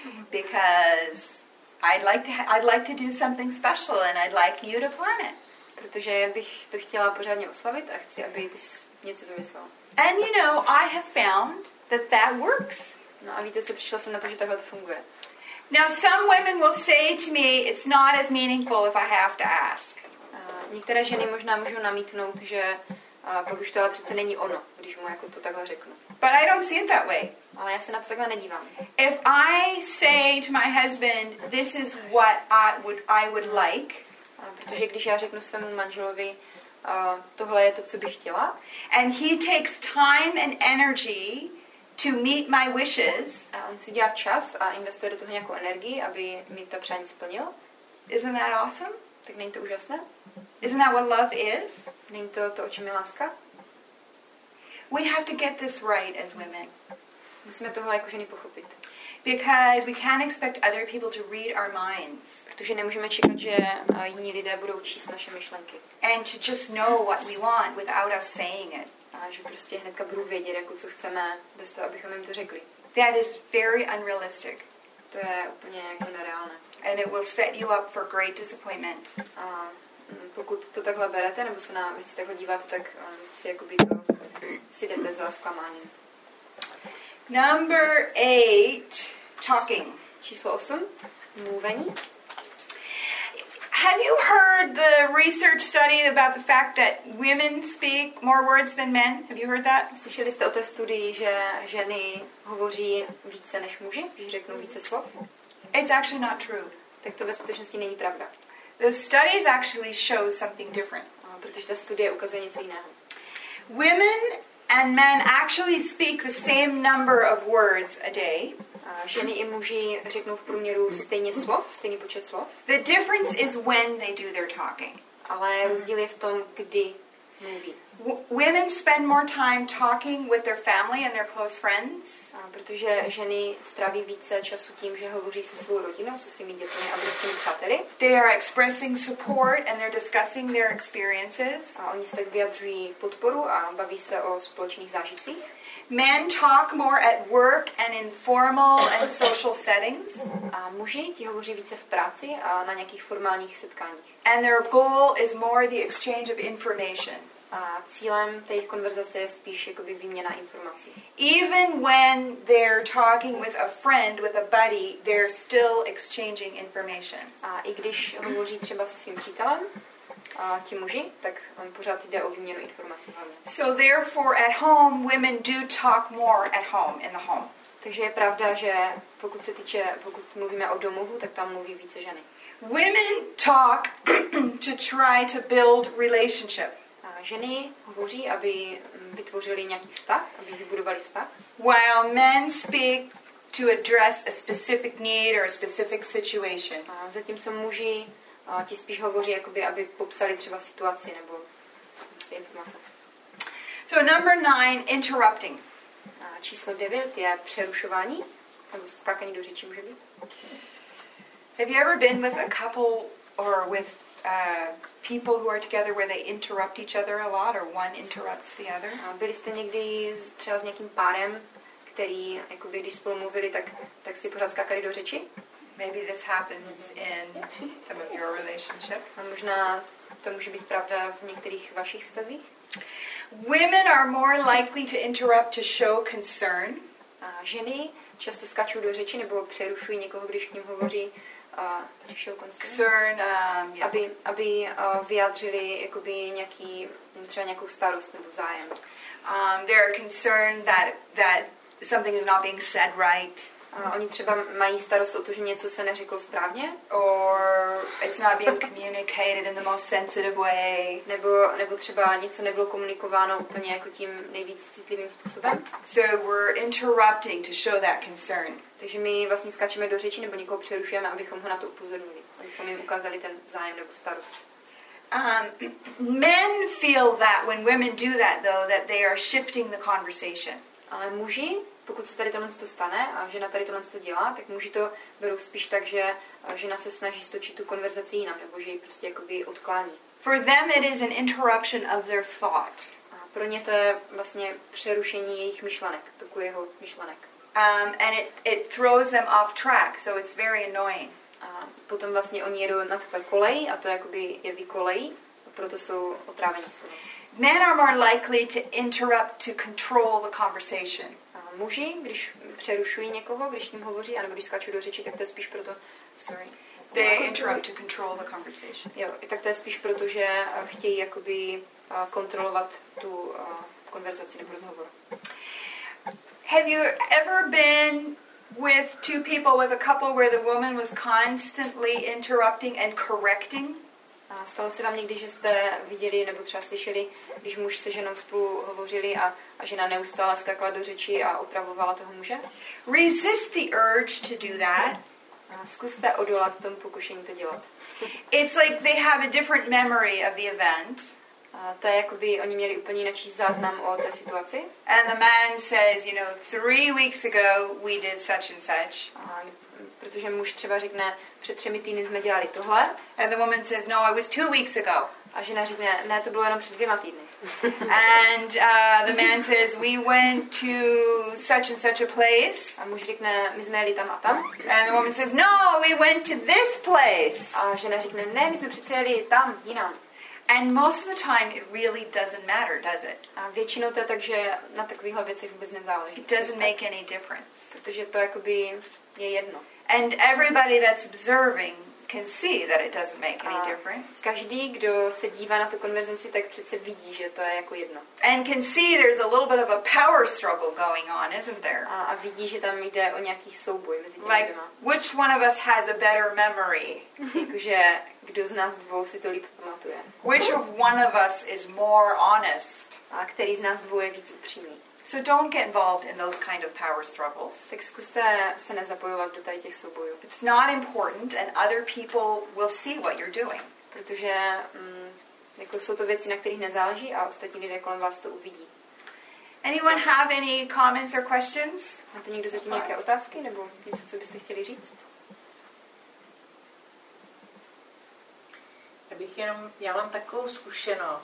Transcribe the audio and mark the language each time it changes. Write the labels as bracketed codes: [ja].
[en] Because I'd like to do something special and I'd like you to plan it. [cs] Protože bych to chtěla pořádně oslavit a chci, aby ty něco vymyslel. [en] And you know, I have found that works. [cs] No a víte co, přišla jsem na to, že takhle to funguje. [en] Now some women will say to me, it's not as meaningful if I have to ask. [cs] Některé ženy možná můžou namítnout, že pak už to ale přece není ono, když mu jako to takhle řeknu. [en] But I don't see it that way. [cs] Ale já se na to takhle nedívám. [en] If I say to my husband, this is what I would like. [cs] Protože když já řeknu svému manželovi, tohle je to, co bych chtěla. [en] And he takes time and energy to meet my wishes. [cs] A on si udělá čas a investuje do toho nějakou energii, aby mi to přání splnil. [en] Isn't that awesome? [cs] Tak není to úžasné? [en] Isn't that what love is? [cs] Není to to, o čem je láska? [en] We have to get this right as women. [cs] Musíme tohle jako ženy pochopit. [en] Because we can't expect other people to read our minds. [cs] Protože nemůžeme čekat, že jiní lidé budou číst naše myšlenky. [en] And to just know what we want without us saying it. [cs] A že prostě hnedka budou vědět, jako co chceme, bez toho, abychom jim to řekli. [en] That is very unrealistic. [cs] To je úplně jako nereálné. [en] And it will set you up for great disappointment. [cs] Pokud to takhle berete, nebo se na věci takhle díváte, tak si jakoby to si jdete za zklamáním. [en] Number 8, talking. [cs] Číslo 8, mluvení. [en] Have you heard the research study about the fact that women speak more words than men? Have you heard that? [cs] Slyšeli jste o té studii, že ženy hovoří více než muži, že řeknou více slov? [en] It's actually not true. [cs] Tak to ve skutečnosti není pravda. [en] The studies actually show something different. [cs] Protože ta studie ukazuje něco jiného. [en] Women and men actually speak the same number of words a day. [cs] Ženy i muži řeknou v průměru stejně slov, stejný počet slov. [en] The difference is when they do their talking. [cs] Ale rozdíl je v tom, kdy mluví. [en] Women spend more time talking with their family and their close friends. [cs] Protože ženy stráví více času tím, že hovoří se svou rodinou, se svými dětmi a blízkými přáteli. [en] They are expressing support and they're discussing their experiences. [cs] A oni se tak vyjadřují podporu a baví se o společných zážitcích. [en] Men talk more at work and in formal and social settings. [cs] A muži, ti hovoří více v práci a na nějakých formálních setkáních. [en] And their goal is more the exchange of information. [cs] A cílem té konverzace je spíš jakoby výměna informací. [en] Even when they're talking with a friend, with a buddy, they're still exchanging information. [cs] A i když hovoří třeba se svým přítelem, a ti muži, tak on pořád jde o výměnu informací. [en] So therefore at home women do talk more at home in the home. [cs] Takže je pravda, že pokud mluvíme o domovu, tak tam mluví více ženy. [en] Women talk to try to build relationship. [cs] Ženy hovoří, aby vytvořili nějaký vztah, aby vybudovali vztah. [en] While men speak to address a specific need or a specific situation. [cs] A zatímco muži ti spíš hovoří, jakoby, aby popsali třeba situaci nebo informace. [en] So number 9, interrupting. [cs] A číslo 9 je přerušování, nebo skákání do řeči může být. [en] Have you ever been with a couple or with people who are together where they interrupt each other a lot or one interrupts the other? [cs] Byli jste někdy třeba s nějakým párem, který jakoby, když spolu mluvili, tak si pořád skákali do řeči? [en] Maybe this happens in some of your relationship. [cs] A možná to může být pravda v některých vašich vztazích? [en] Women are more likely to interrupt to show concern. [cs] Ženy často skáču do řeči nebo přerušují někoho, když k ním hovoří, [en] to show concern. [cs] Aby vyjádřili jakoby nějaký třeba nějakou starost nebo zájem. [en] They are concerned that something is not being said right. [cs] Oni třeba mají starost o to, že něco se neřeklo správně. [en] Or it's not being communicated in the most sensitive way. [cs] Nebo třeba něco nebylo komunikováno úplně jako tím nejvíc citlivým způsobem. [en] So we're interrupting to show that concern. [cs] Takže my vlastně skáčeme do řeči nebo někoho přerušujeme, abychom ho na to upozornili. Abychom jim ukázali ten zájem nebo starost. [en] Men feel that when women do that though, that they are shifting the conversation. [cs] Ale muži, pokud se tady tohle to stane a žena tady tohle to dělá, tak muži to berou spíš tak, že žena se snaží stočit tu konverzaci jinam, nebo že ji prostě jakoby odklání. [en] For them it is an interruption of their thought. [cs] A pro ně to je vlastně přerušení jejich myšlenek, toku jeho myšlenek. [en] And it throws them off track, so it's very annoying. [cs] A potom vlastně oni jedou na takové koleji a to jakoby je vykolejí, proto jsou otrávení. [en] Men are more likely to interrupt to control the conversation. [cs] Muži, když přerušují někoho, když ním hovoří, anebo když skáču do řeči, tak to je spíš proto... [en] Sorry. They interrupt to control the conversation. [cs] Jo, tak to je spíš proto, že chtějí jakoby kontrolovat tu konverzaci nebo rozhovor. [en] Have you ever been with two people, with a couple where the woman was constantly interrupting and correcting? [cs] Stalo se vám někdy, že jste viděli nebo třeba slyšeli, když muž se ženou spolu hovořili a žena neustále skákala do řeči a opravovala toho muže? [en] Resist the urge to do that. [cs] Zkuste odolat tomu pokušení to dělat. [en] It's like they have a different memory of the event. [cs] To je jako by oni měli úplně jiný záznam o té situaci. [en] And the man says, you know, 3 weeks ago we did such and such. [cs] Protože muž třeba řekne, před 3 týdny jsme dělali tohle. [en] And the woman says, no, it was 2 weeks ago. [cs] A žena řekne, ne, to bylo jenom před 2 týdny. [en] And the man says, we went to such and such a place. [cs] A muž řekne, my jsme jeli tam a tam. [en] And the woman says, no, we went to this place. [cs] A žena řekne, ne, my jsme přece jeli tam, jinam. [en] And most of the time it really doesn't matter, does it? [cs] A většinou to je tak, že na takovýchhle věcech vůbec nezáleží. [en] It doesn't make any difference. [cs] Protože to jakoby je jedno. [en] And everybody that's observing can see that it doesn't make any difference. [cs] Každý, kdo se dívá na tu konverzaci, tak přece vidí, že to je jako jedno. [en] And can see there's a little bit of a power struggle going on, isn't there? [cs] A vidí, že tam jde o nějaký souboj mezi těmi like, dvěma. [en] Which one of us has a better memory? [cs] Jakože kdo z nás dvou si to líp pamatuje? [en] Which of one of us is more honest? [cs] A který z nás dvou je víc upřímný? [en] So don't get involved in those kind of power struggles. [cs] Tak zkuste se nezapojovat do tady těch soubojů. [en] It's not important and other people will see what you're doing. [cs] Protože jako jsou to věci, na kterých nezáleží a ostatní lidé kolem vás to uvidí. [en] Anyone have any comments or questions? [cs] Máte někdo zatím nějaké otázky nebo něco, co byste chtěli říct? Já mám takovou zkušenost.